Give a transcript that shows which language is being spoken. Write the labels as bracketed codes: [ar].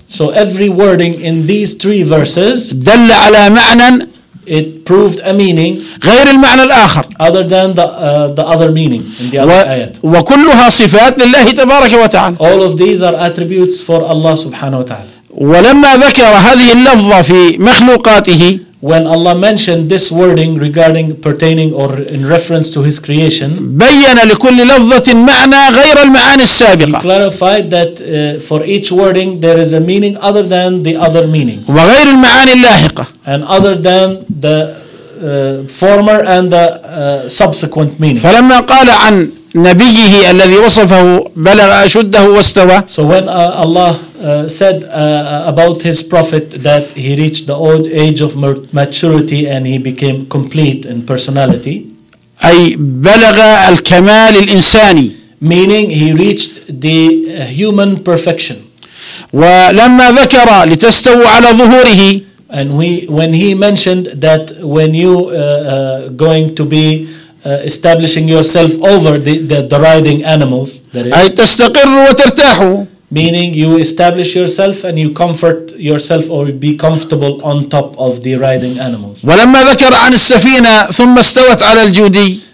[en] So every wording in these three verses [ar] دل على معنى [en] it proved a meaning [ar] غير المعنى الآخر [en] other than the other meaning in the other ayat. [ar] وكلها صفات لله تبارك وتعالى. [en] All of these are attributes for Allah [ar] سبحانه وتعالى. ولما ذكر هذه اللفظة في مخلوقاته [en] when Allah mentioned this wording regarding pertaining or in reference to his creation [ar] بيّن لكل لفظة معنى غير المعاني السابقة. [en] He clarified that for each wording there is a meaning other than the other meanings [ar] وغير المعاني اللاحقة [en] and other than the former and the subsequent meaning. [ar] فلما قال عن نبيه الذي وصفه بلغ أشده واستوى. [en] So when Allah said about his prophet that he reached the old age of maturity and he became complete in personality. [ar] أي بلغ الكمال الإنساني. [en] Meaning he reached the human perfection. [ar] ولما ذكر لتستوى على ظهوره. [en] And when he mentioned that when you going to be establishing yourself over the riding animals [ar] أي تستقر وترتاح [en] meaning you establish yourself and you comfort yourself or be comfortable on top of the riding animals. [ar] ولما ذكر عن السفينة ثم استوت على الجودي